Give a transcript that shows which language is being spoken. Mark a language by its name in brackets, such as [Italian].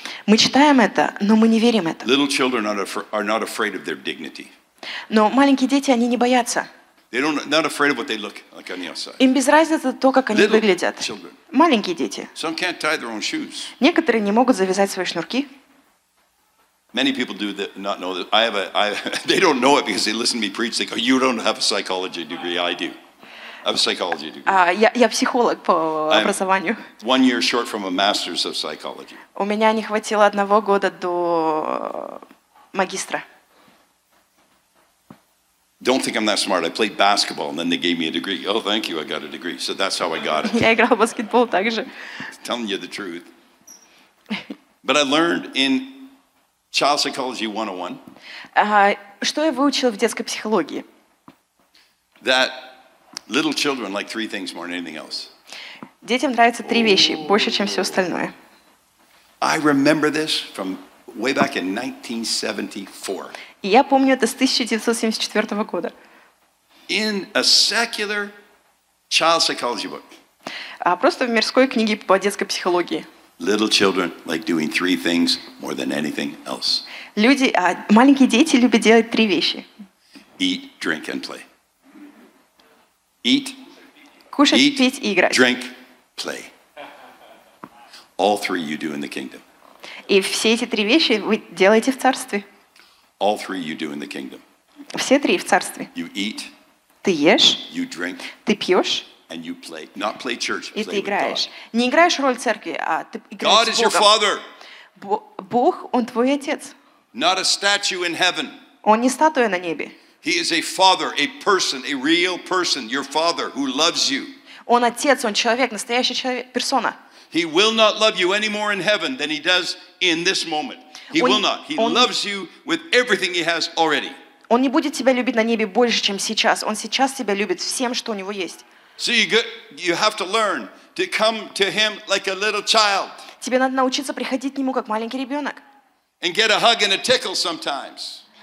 [Russian] Мы читаем это, но мы не верим это. [English] Little children are not afraid of their dignity. [Russian] Но маленькие дети, они не боятся. [English] They're not afraid of what they look like on the outside. [Russian] Им без разницы то, как они [English] little [Russian] выглядят. [English] Children. [Russian] Маленькие дети. [English] Some can't tie their own shoes. [Russian] Некоторые не могут завязать свои шнурки. [English] Many people do that, not know that. They don't know it because they listen to me preach. They go, you don't have a psychology degree. I do. I have a psychology degree. [Russian] Я психолог по образованию. [English] I'm 1 year short from a master's of psychology. [Russian] У меня не хватило одного года до магистра. [English] Don't think I'm that smart. I played basketball and then they gave me a degree. Oh, thank you. I got a degree. So that's how I got it. [Russian] Я играл в баскетбол также. [English] Telling you the truth. But I learned in Child Psychology 101. [Russian] Что я выучил в детской психологии? [English] That little children like three things more than anything else. [Russian] Детям нравятся три вещи больше, чем все остальное. [English] I remember this from way back in 1974. [Russian] Я помню это с 1974 года. [English] In a secular child psychology book. [Russian] Просто в мирской книге по детской психологии. [English] Little children like doing three things more than anything else. [Russian] Люди, маленькие дети любят делать три вещи. [English] Eat, drink, and play. Eat, [Russian] кушать, eat, пить и играть. [English] Drink, play. All three you do in the kingdom. [Russian] И все эти три вещи вы делаете в царстве. [English] All three you do in the kingdom. [Russian] Все три в царстве. [English] You eat. [Russian] Ты ешь. [English] You drink. [Russian] Ты пьешь. [English] And you play, not play church. [Russian] И [English] play [Russian] ты играешь. Не играешь роль церкви, а ты играешь [English] God [Russian] с Богом. [English] God is your father. [Russian] Бог, он твой отец. [English] Not a statue in heaven. [Russian] Он не статуя на небе. [English] He is a father, a person, a real person, your father who loves you. [Russian] Он отец, он человек, настоящий человек, персона. [English] He will not love you any more in heaven than he does in this moment. He will not. He loves you with everything he has already. [Russian] Он не будет тебя любить на небе больше, чем сейчас. Он сейчас тебя любит всем, что у него есть. [English] So you have to learn to come to him like a little child. [Russian] Тебе надо научиться приходить к нему как маленький ребенок. [English] And get a hug and a tickle sometimes.